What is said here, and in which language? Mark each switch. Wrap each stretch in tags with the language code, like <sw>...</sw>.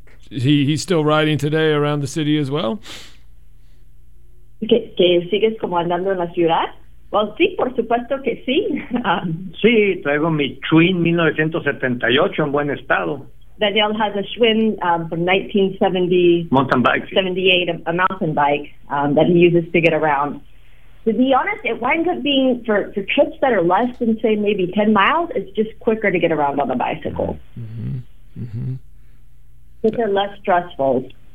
<en>He's still riding today around the city as well.</en> <es>Que sigues como andando en la ciudad? Well, sí, por supuesto que sí. Sí, traigo mi Schwinn 1978 en buen estado.</es> <en>Daniel has a Schwinn from 1970 mountain bike. 78, a mountain bike that he uses to get around. To be honest, it winds up being for trips that are less than say maybe 10 miles, it's just quicker to get around on a bicycle. Mm-hmm. They're less stressful.</en>